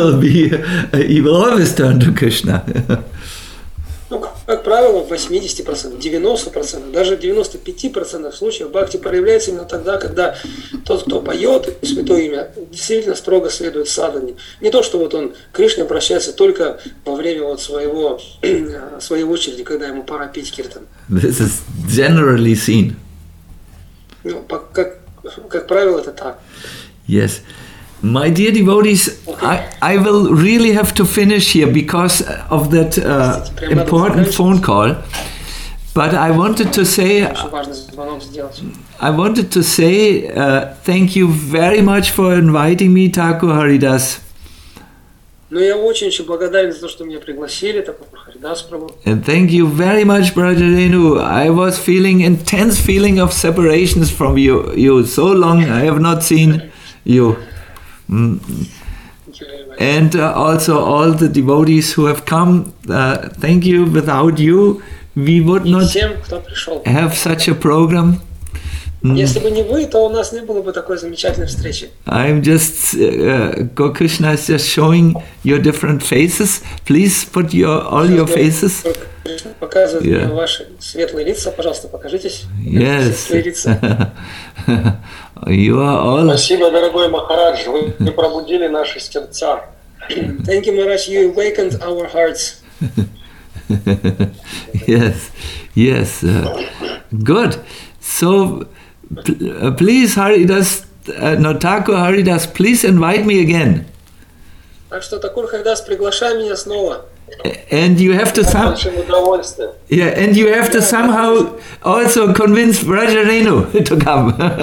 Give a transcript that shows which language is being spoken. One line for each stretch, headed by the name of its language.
English: he will always turn to Krishna.
Russian: Ну, как правило, 80%, 90%, даже 95% случаев бхакти проявляется именно тогда, когда тот, кто поет святое имя, действительно строго следует садхане. Не то, что вот он к Кришне обращается только во время вот своей очереди, когда ему пора пить киртан.
English: This is generally seen.
Russian: Ну, как правило, это так.
English: Yes. My dear devotees, I will really have to finish here because of that important phone call. But I wanted to say thank you very much for inviting me, Taku Haridas.
Russian: Ну, я очень благодарен за то, что меня пригласили, Таку Харидас Прабху.
English: And thank you very much, Brother Renu. I was feeling intense feeling of separation from you so long. I have not seen you. And also all the devotees who have come, thank you. Without you, we would not have such a program.
Russian: Если бы не вы, то у нас не было бы такой замечательной встречи.
English: I'm just Gokrishna is just showing your different faces. Please put your faces.
Russian: Показывает мне ваши светлые лица, пожалуйста, покажитесь.
English: Yes. You are all.
Russian: Спасибо, дорогой Махарадж, вы пробудили наши сердца.
English: Thank you, Maharaj, you awakened our hearts. Yes. Good. So please, Haridas, Taku Haridas, please invite me again.
Russian: Так что, Такур Харидас, приглашай меня снова.
English: And you have to somehow also convince Raja Renu to come.